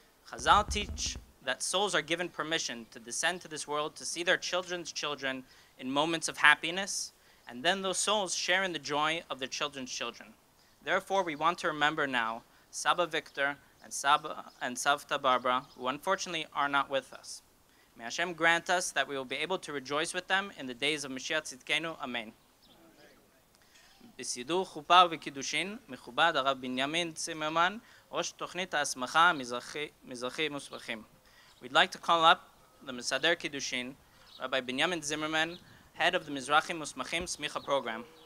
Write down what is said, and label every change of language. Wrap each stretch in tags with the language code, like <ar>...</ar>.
<en>Chazal teach that souls are given permission to descend to this world to see their children's children in moments of happiness, and then those souls share in the joy of their children's children. Therefore, we want to remember now Saba Victor and Savta Barbara, who unfortunately are not with us. May Hashem grant us that we will be able to rejoice with them in the days of Mashiach Tzidkenu. Amen.</en> <he>בסידור חופה וקידושין, מכובד הרב בנימין צימרמן, ראש תוכנית ההסמכה המזרחי מוסמכים.</he> <en>We'd like to call up the Mesader Kiddushin, Rabbi Binyamin Zimmerman, head of the Mizrahi Musmachim Smicha program.</en>